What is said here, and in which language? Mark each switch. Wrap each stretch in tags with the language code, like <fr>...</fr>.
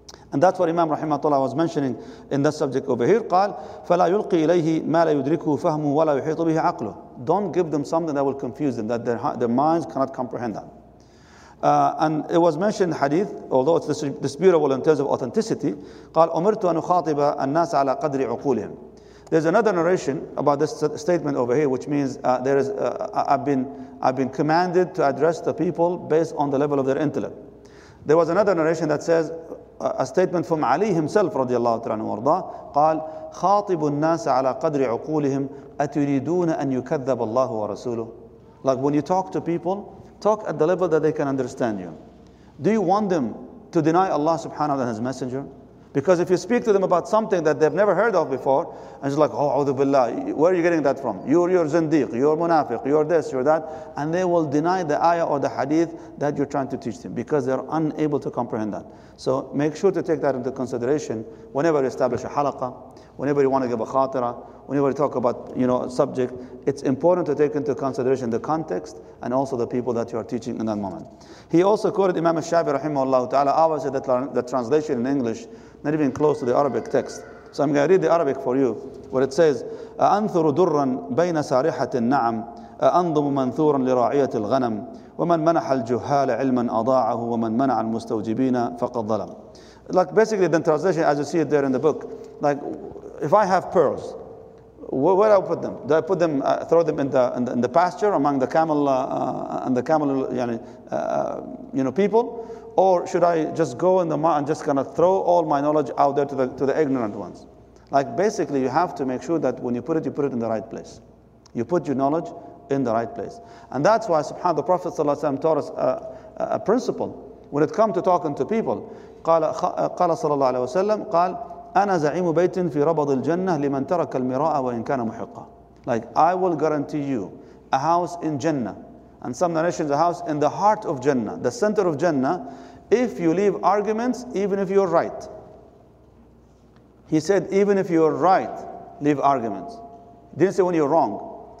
<en>And that's what Imam Rahimahullah was mentioning in that subject over here.</en> <ar>قال, فَلَا يُلْقِي إِلَيْهِ مَا لَا يُدْرِكُهُ فَهْمُهُ وَلَا يُحِيطُ بِهِ عَقْلُهُ.</ar> <en>Don't give them something that will confuse them, that their minds cannot comprehend that. And it was mentioned in hadith, although it's disputable in terms of authenticity.</en> <ar>قال, أُمِرْتُ أَنْ أُخَاطِبَ النَّاسَ عَلَى قَدْرِ عُقُولِهِمْ.</ar> <en>There's another narration about this statement over here, which means I've been commanded to address the people based on the level of their intellect. There was another narration that says a statement from Ali himself, radiallahu ta'ala wa rida,</en> <ar>قال, خاطب الناس على قدر عقولهم أتريدون أن يكذب الله ورسوله.</ar> <en>Like when you talk to people, talk at the level that they can understand you. Do you want them to deny Allah subhanahu wa ta'ala and His Messenger? Because if you speak to them about something that they've never heard of before, and it's like, oh, a'udhu billah, where are you getting that from? You're zindiq, you're munafiq, you're this, you're that. And they will deny the ayah or the hadith that you're trying to teach them because they're unable to comprehend that. So make sure to take that into consideration whenever you establish a halaqa, whenever you want to give a khatira, whenever you talk about, you know, a subject. It's important to take into consideration the context and also the people that you are teaching in that moment. He also quoted Imam al-Shafi'i rahimahullah ta'ala. I would say that the translation in English, not even close to the Arabic text. So I'm going to read the Arabic for you, where it says,</en> <ar>أَأَنْثُرُ دُرًّا بَيْنَ سَارِحَةِ النَّعَمِ أَأَنْضُمُ مَنْثُورًا لِرَاعِيَةِ الْغَنَمِ وَمَنْ مَنَحَ الْجُهَّالَ عِلْمًا أَضَاعَهُ وَمَنْ مَنَعَ الْمُسْتَوْجِبِينَ فَقَدْ ظَلَمَ.</ar> <en>Like basically the translation as you see it there in the book, like if I have pearls, where do I put them? Do I put them, throw them in the pasture among the camel and the camel, you know, people? Or should I just go in the mud and just kind of throw all my knowledge out there to the ignorant ones? Like basically you have to make sure that when you put it in the right place. You put your knowledge in the right place. And that's why subhanAllah the Prophet ﷺ taught us a principle when it comes to talking to people.</en> <ar>قال صلى الله عليه وسلم قال أنا زعيم بيت في ربض الجنة لمن ترك المراء وإن كان محقا.</ar> <en>Like I will guarantee you a house in Jannah. And some narrations, a house in the heart of Jannah, the center of Jannah, if you leave arguments, even if you're right. He said, even if you're right, leave arguments. He didn't say when you're wrong.</en>